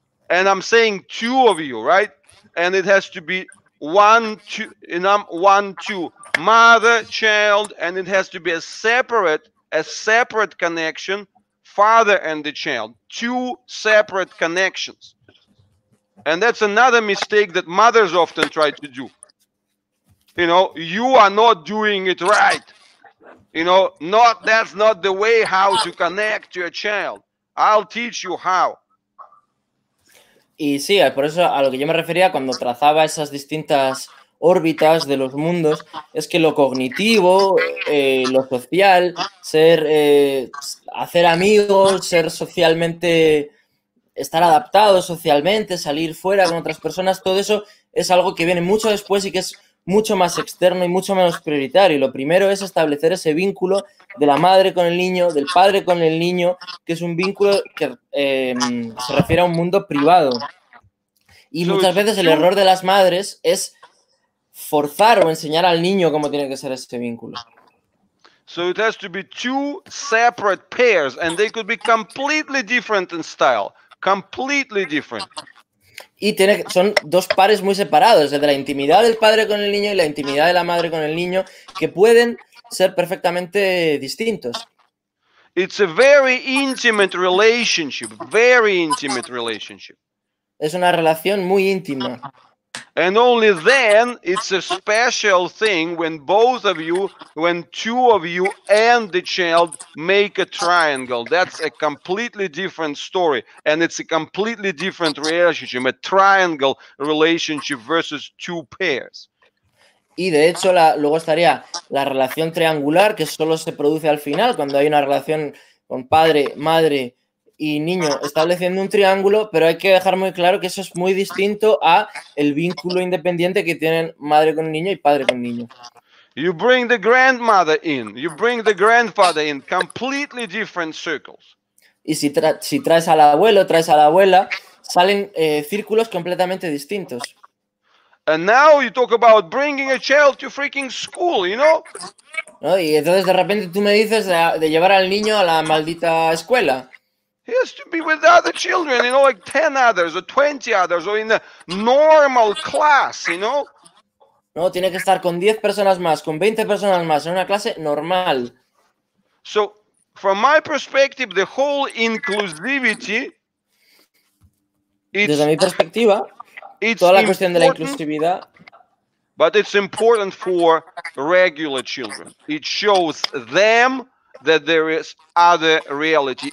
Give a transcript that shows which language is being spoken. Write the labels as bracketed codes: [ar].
[en] And I'm saying two of you, right? And it has to be one, two, mother, child, and it has to be a separate connection, father and the child, two separate connections. And that's another mistake that mothers often try to do. You know, you are not doing it right. You know, not that's not the way how to connect to your child. I'll teach you how. [es] Y sí, por eso a lo que yo me refería cuando trazaba esas distintas órbitas de los mundos es que lo cognitivo, lo social, ser hacer amigos, ser socialmente, estar adaptado socialmente, salir fuera con otras personas, todo eso es algo que viene mucho después y que es mucho más externo y mucho menos prioritario. Lo primero es establecer ese vínculo de la madre con el niño, del padre con el niño, que es un vínculo que se refiere a un mundo privado. Y muchas veces el error de las madres es forzar o enseñar al niño cómo tiene que ser ese vínculo. [en] So it has to be two separate pairs and they could be completely different in style, completely different. [es] Y tiene, son dos pares muy separados, desde la intimidad del padre con el niño y la intimidad de la madre con el niño, que pueden ser perfectamente distintos. [en] It's a very intimate relationship, very intimate relationship. [es] Es una relación muy íntima. [en] And only then it's a special thing when both of you, when two of you and the child make a triangle. That's a completely different story. And it's a completely different relationship, a triangle relationship versus two pairs. [es] Y de hecho, luego estaría la relación triangular, que solo se produce al final, cuando hay una relación con padre, madre y niño estableciendo un triángulo, pero hay que dejar muy claro que eso es muy distinto a el vínculo independiente que tienen madre con niño y padre con niño. [en] You bring the grandmother in, you bring the grandfather in, completely different circles. [es] Y si traes al abuelo, traes a la abuela, salen círculos completamente distintos. [en] And now you talk about bringing a child to freaking school, you know? [es] ¿No? Y entonces de repente tú me dices de llevar al niño a la maldita escuela. [en] He has to be with other children, you know, like 10 others or 20 others or in a normal class, you know? [es] No, tiene que estar con 10 personas más, con 20 personas más, en una clase normal. [en] So, from my perspective, the whole inclusivity... [es] Desde mi perspectiva, toda la cuestión de la inclusividad... [en] But it's important for regular children. It shows them that there is other reality.